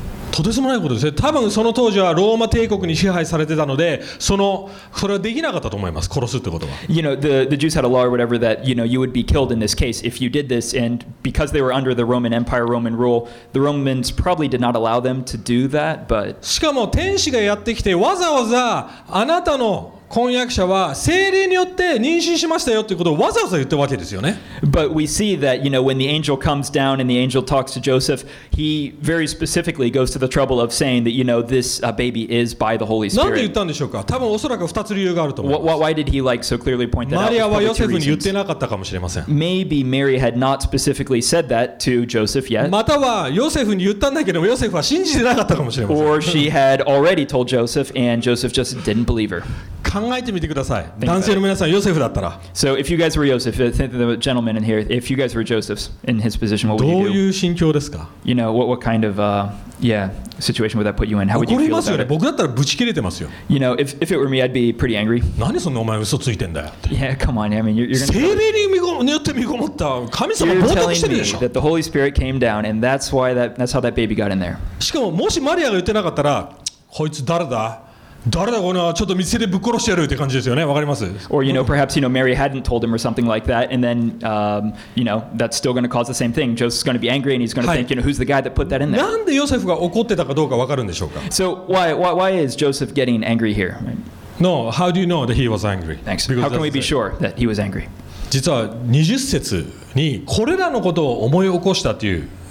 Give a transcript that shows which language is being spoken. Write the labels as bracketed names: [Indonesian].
[Japanese] とてつもないことですね。多分その当時はローマ帝国に支配されてたので、それはできなかったと思います。殺すってことは。 [English] You know, the Jews had a law or whatever that, you know, you would be killed in this case if you did this. And because they were under the Roman Empire, Roman rule, the Romans probably did not allow them to do that. But [Japanese] しかも天使がやってきてわざわざあなたの婚約者は聖霊によって妊娠しましたよということをわざわざ言ったわけですよね。 [English] But we see that, you know, when the angel comes down and the angel talks to Joseph, he very specifically goes to the trouble of saying that, you know, this baby is by the Holy Spirit. [Japanese] なんで言ったんでしょうか。多分おそらく二つ理由があると思います。 [English] Why did he like so clearly point that out? [Japanese] マリアはヨセフに言ってなかったかもしれません。 [English] Maybe Mary had not specifically said that to Joseph yet. [Japanese] またはヨセフに言ったんだけどヨセフは信じてなかったかもしれません。 [English] Or she had already told Joseph and Joseph just didn't believe her. [Japanese] 考えてみてください。男性の皆さん、ヨセフだったら。 [English] So if you guys were Joseph, the gentleman in here, if you guys were Joseph in his position, what would you do? [Japanese] どういう心境ですか？ [English] You know, what kind of, yeah, situation would that put you in? How would you feel about it? [Japanese] 怒りますよね。僕だったらブチ切れてますよ。 [English] You know, if it were me, I'd be pretty angry. [Japanese] 何そんなお前嘘ついてんだよって。 [English] Yeah, come on, I mean, you're gonna... [Japanese] 聖霊によって身ごもった。神様、冒涜してるでしょ。 [English] You're telling me that the Holy Spirit came down, and that's how that baby got in there. [Japanese] しかも、もしマリアが言ってなかったら、こいつ誰だ？誰だこのちょっと店でぶっ殺してやるって感じですよね。わかります。 [English] Or you know, perhaps you know, Mary hadn't told him or something like that, and then you know, that's still going to cause the same thing. Joseph's going to be angry, and he's going to think, you know, who's the guy that put that in there? [Japanese] なんでヨセフが怒ってたかどうかわかるんでしょうか。 [English] So why is Joseph getting angry here? No, how do you know that he was angry? Thanks. How can we be sure that he was angry? [Japanese] 実は20節にこれらのことを思い起こしたという。